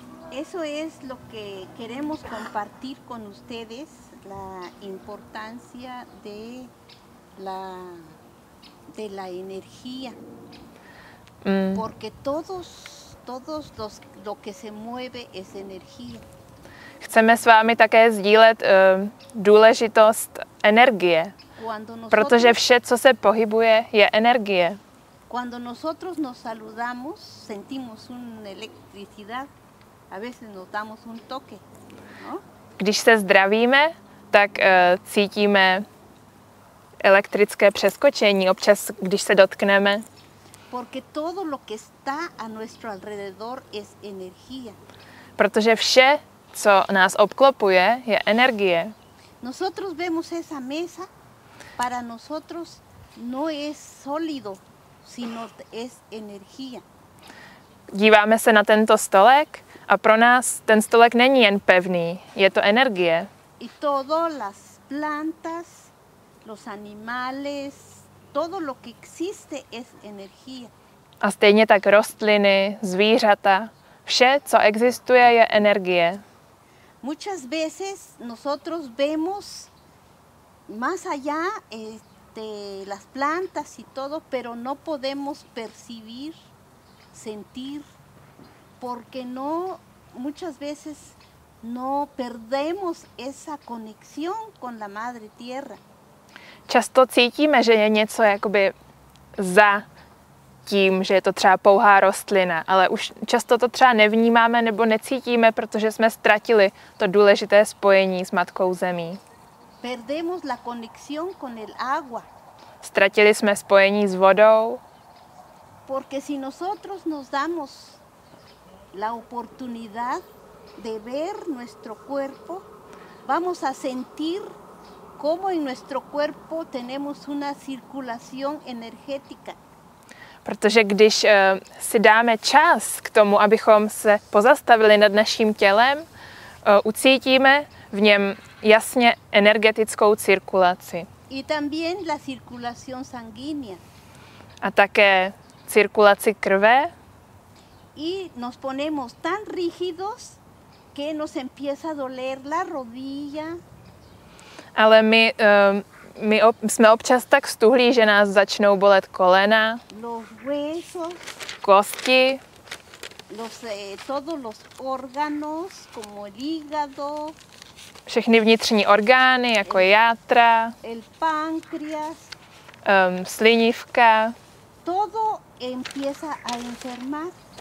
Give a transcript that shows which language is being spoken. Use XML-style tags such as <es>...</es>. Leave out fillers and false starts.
<es>Eso es lo que queremos compartir con ustedes, la importancia de la energía. Porque todos los lo que se mueve es energía.</es> <cs>Chceme s vámi také sdílet důležitost energie. Protože vše, co se pohybuje, je energie.</cs> <es>Cuando nosotros nos saludamos, sentimos una electricidad. A veces nos damos un toque, ¿no?</es> <cs>Když se zdravíme, tak cítíme elektrické přeskočení, občas když se dotkneme.</cs> <es>Porque todo lo que está a nuestro alrededor es energía.</es> <cs>Protože vše, co nás obklopuje, je energie.</cs> <es>Nosotros vemos esa mesa, para nosotros no es sólido, sino es energía.</es> <cs>Díváme se na tento stolek a pro nás ten stolek není jen pevný, je to energie.</cs> <es>Y todo las plantas, los animales, todo lo que existe es energía.</es> <cs>A stejně tak rostliny, zvířata, vše, co existuje, je energie.</cs> <es>Muchas veces nosotros vemos más allá de las plantas y todo, pero no podemos percibir, sentir, porque no, muchas veces no perdemos esa conexión con la madre tierra.</es> <cs>Často cítíme, že je něco jakoby za tím, že je to třeba pouhá rostlina, ale už často to třeba nevnímáme nebo necítíme, protože jsme ztratili to důležité spojení s matkou zemí.</cs> <es>Perdemos la conexión con el agua.</es> <cs>Ztratili jsme spojení s vodou.</cs> <es>Porque si nosotros nos damos la oportunidad de ver nuestro cuerpo, vamos a sentir cómo en nuestro cuerpo tenemos una circulación energética.</es> <cs>Protože když si dáme čas k tomu, abychom se pozastavili nad naším tělem, ucítíme v něm jasně energetickou cirkulaci.</cs> <es>Y también la circulación sanguínea.</es> <cs>A také cirkulaci krve.</cs> <es>Y nos ponemos tan rígidos que nos empieza a doler la rodilla.</es> <cs>Ale my jsme občas tak stuhlí, že nás začnou bolet kolena,</cs> <es>los huesos,</es> <cs>kosti,</cs> <es>todos los órganos, como el hígado,</es> <cs>všechny vnitřní orgány, jako játra,</cs> <es>el páncreas,</es> <cs>slinivka.</cs> <es>Todo empieza a enfermar.</es>